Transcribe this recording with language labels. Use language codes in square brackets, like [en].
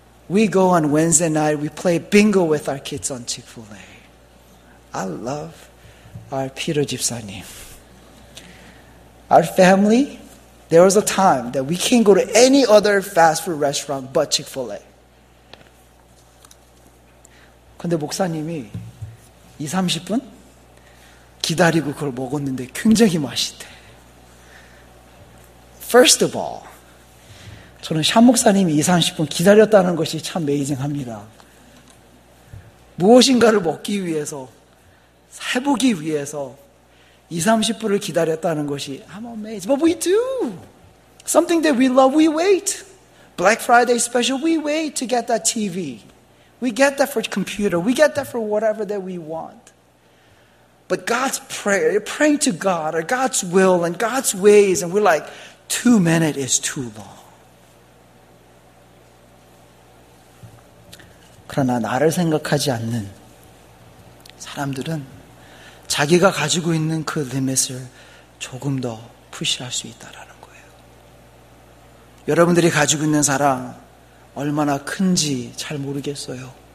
[en] We go on Wednesday night, we play bingo with our kids on Chick-fil-A. I love our Peter 집사님. Our family, there was a time that we can't go to any other fast food restaurant but Chick-fil-A. [ko] 근데 목사님이 20, 30분 기다리고 그걸 먹었는데 굉장히 맛있대. [en] First of all, [ko] 저는 샴 목사님이 20, 30분 기다렸다는 것이 참 메이징합니다. 무엇인가를 먹기 위해서, 해보기 위해서 20, 30분을 기다렸다는 것이 [en] I'm amazed. But we do. Something that we love, we wait. Black Friday special, we wait to get that TV. We get that for computer. We get that for whatever that we want. But God's prayer, praying to God, or God's will and God's ways, and we're like, 2 minutes is too long. [ko] 그러나 나를 생각하지 않는 사람들은 자기가 가지고 있는 그 리밋을 조금 더 푸시할 수 있다는 거예요. 여러분들이 가지고 있는 사랑 얼마나 큰지 잘 모르겠어요.